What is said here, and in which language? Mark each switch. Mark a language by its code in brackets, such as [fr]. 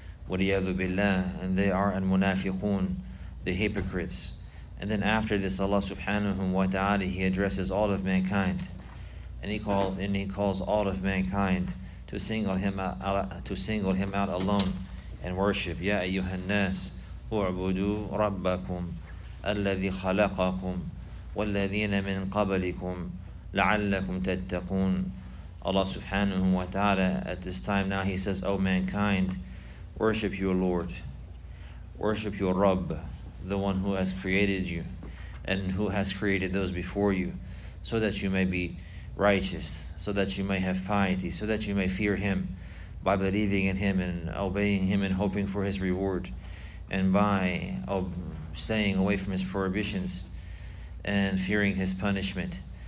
[ar] وَلِيَذُ بِاللَّهِ. [en] And they are al-munafiqun, the hypocrites. And then after this, Allah subhanahu wa ta'ala he addresses all of mankind, and he calls all of mankind to single him out alone and worship. [ar] يَا أَيُّهَا النَّاسِ اعبدوا ربكم الذي خلقكم والذين من قبلكم لعلكم تتقون. [en] Allah subhanahu wa ta'ala at this time now he says, O mankind, worship your Lord, worship your Rabb, the one who has created you and who has created those before you, so that you may be righteous, so that you may have piety, so that you may fear him by believing in him and obeying him and hoping for his reward, and by staying away from his prohibitions and fearing his punishment.